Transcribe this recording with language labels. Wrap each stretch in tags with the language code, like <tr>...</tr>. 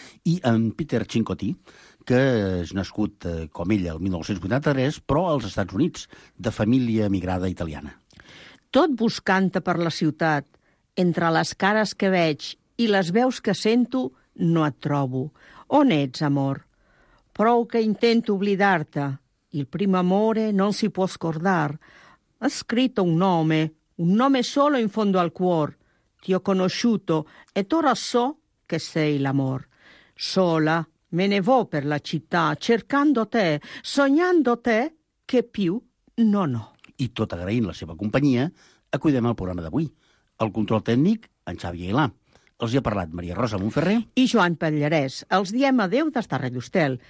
<ca>I en Peter Cincotti, que és nascut com ella el 1983, però als Estats Units, de família emigrada italiana. Tot buscant-te per la ciutat, entre les cares que veig i les veus que sento, no et trobo. On ets, amor? Prou que intento oblidar-te.</ca> <it>Il primo amore non si può scordar. Ha scritto un nome solo in fondo al cuor. Ti ho conosciuto, e ora so che sei l'amor. Sola me ne vo per la città, cercando te, sognando te, che più non ho.</it> <ca>I tot agraint la seva companyia, acudem al programa d'avui. El control tècnic, en Xavi Ailà. Els hi ha parlat Maria Rosa Montferrer i Joan Pallarès. Els diem adeu des de Ràdio Estel.</ca>